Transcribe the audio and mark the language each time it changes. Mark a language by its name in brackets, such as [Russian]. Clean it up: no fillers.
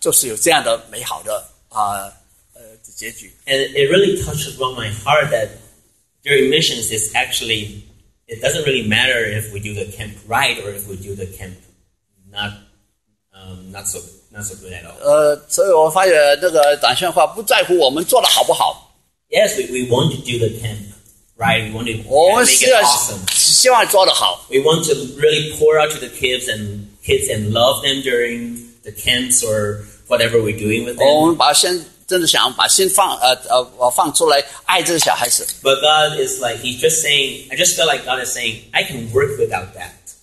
[Chinese] 那第三天白天没有事情做得好，可是晚上就是有这样的美好的结局。 [English] And it really touches on my heart that during missions is actually it doesn't really matter if we do the camp right or if we do the camp not so good at all. [Chinese] 所以我发觉那个短宣话不在乎我们做得好不好。 [English] Yes, we want to do the camp. Right, we want to make it awesome. [Chinese] 希望做得好. [English] We want to really pour out to the kids and love them during the camps or whatever we're doing with them. [Chinese] 我们把心真的想把心放出来爱这个小孩子. [English] But God is like, He's just saying, I just feel like God is saying, I can work without that.